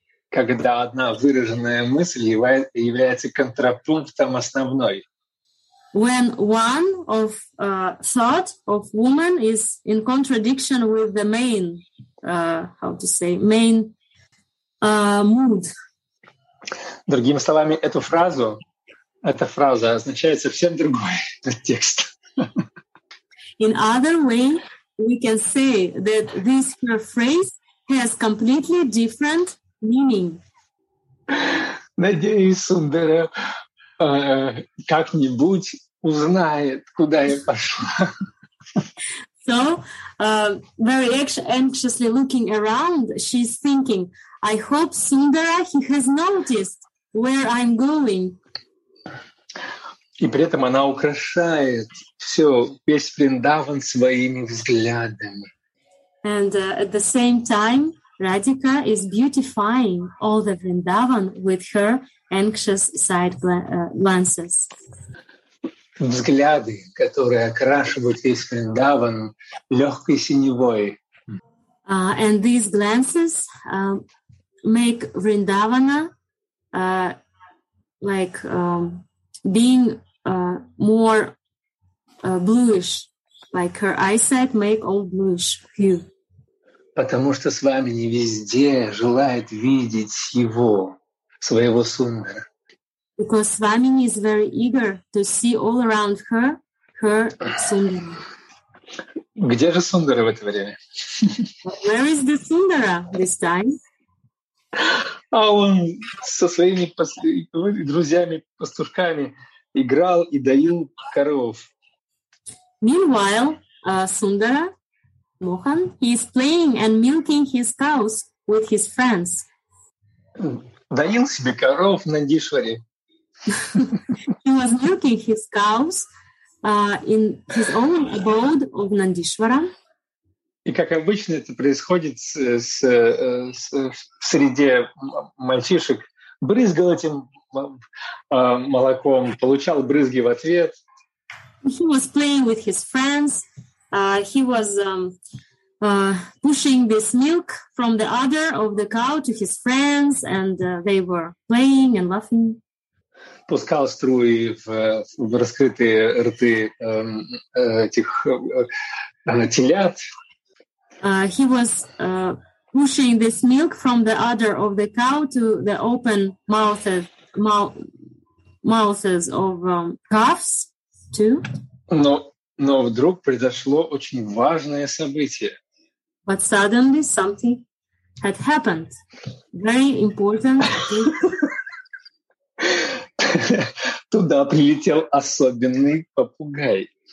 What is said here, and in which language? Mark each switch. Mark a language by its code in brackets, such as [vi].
[ru] Когда одна выраженная мысль является контрапунктом основной. [en] When one of thought of woman is in contradiction with the main, mood. [ru] Другими словами, эта фраза означает совсем другой текст. [en] In other way, we can say that this her phrase has completely different meaning. [ru] Надеюсь, Сундара как-нибудь узнает, куда я пошла. [en] So, very anxiously looking around, she's thinking, I hope Sundara, he has noticed where I'm going. [ru] И при этом она украшает все, весь Вриндаван своими взглядами. [en] And at the same time, Radhika is beautifying all the Vrindavan with her anxious side glances. [ru] Взгляды, которые окрашивают весь Вриндаван легкой синевой. [en] And these glances make Vrindavana like being more bluish, like her eyesight make all bluish hue. [ru] Потому что с вами не везде желает видеть его, своего Сундара. [en] Because Swamini is very eager to see all around her, her Sundara. [ru] Где же Сундара в это время? [en] Where is the Sundara this time? [ru] А он со своими друзьями-пастушками играл и доил коров. [en] Meanwhile, Sundara, Mohan, he is playing and milking his cows with his friends. [ru] Доил себе коров в Нандишваре. [en] He was milking his cows in his own abode of Nandishvara. [ru] И как обычно это происходит в среде мальчишек, брызгал этим молоком, получал брызги в ответ. [en] He was playing with his friends. He was pushing this milk from the udder of the cow to his friends, and they were playing and laughing. [ru] Пускал струи в раскрытые рты этих телят. [en] He was pushing this milk from the udder of the cow to the open mouths of calves too. [ru] Но вдруг произошло очень важное событие. [en] But suddenly something had happened. Very important. [ru] Туда прилетел особенный попугай.